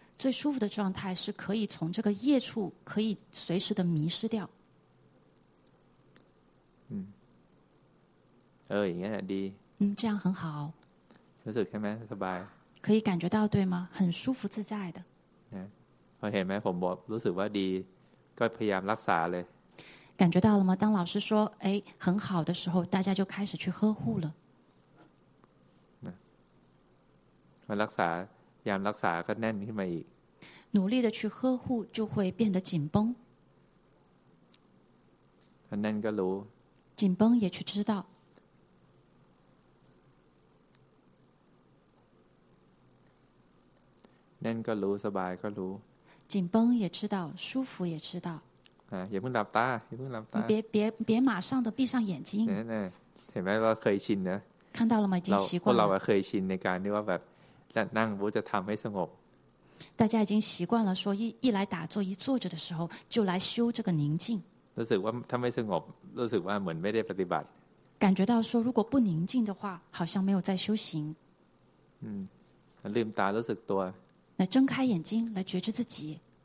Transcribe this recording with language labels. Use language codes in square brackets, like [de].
[zh] 最舒服的状态是可以从这个业处可以随时的迷失掉。 [th] อย่างนี้แหละดี。 [zh] 这样很好。 [th] รู้สึกใช่ไหมสบาย。 [zh] 可以感觉到对吗？很舒服自在的。 [th] เห็นไหมผมรู้สึกว่าดีก็พยายามรักษาเลย [zh] 感觉到了吗当老师说哎很好的时候大家就开始去呵护了 [th] มารักษาพยายามรักษาก็แน่นขึ้นมาอีก [zh] 努力的去呵护就会变得紧绷 [th] แน่นก็รู้ [zh] 紧绷也去知道 [th] แน่นก็รู้สบายก็รู้ [zh] 紧绷也知道，舒服也知道。 [th] อย่าเพิ่งหลับตา อย่าเพิ่งหลับตา。 [zh] 别马上的闭上眼睛。 [th] เห็นไหมเราเคยชินนะ。 [zh] 看到了吗？已经习惯了。 [th] เราเคยชินในการที่ว่าแบบนั่งบูจะทำให้สงบ。 [zh] 大家已经习惯了说 一来打坐一坐着的时候就来修这个宁静， [th] รู้สึกว่าถ้าไม่สงบรู้สึกว่าเหมือนไม่ได้ปฏิบัติ [zh] 感觉到说如果不宁静的话好像没有在修行， [th] ลืมตารู้สึกตัว [zh] 来睁开眼睛来觉知自己，